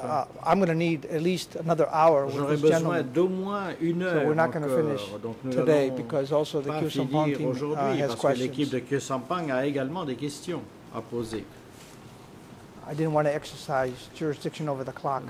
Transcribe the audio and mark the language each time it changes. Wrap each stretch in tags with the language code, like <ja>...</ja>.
<en>But I'm going to need at least another hour</en> <fr>j'aurais</fr> <en>with this gentleman.</en> <fr>Besoin d'au moins une heure</fr> <en>so we're not going to finish today because also the Kyu Sampang team has questions.</en> <fr>L'équipe de Kyu Sampang a également des questions à poser.</fr> <en>I didn't want to exercise jurisdiction over the clock.</en>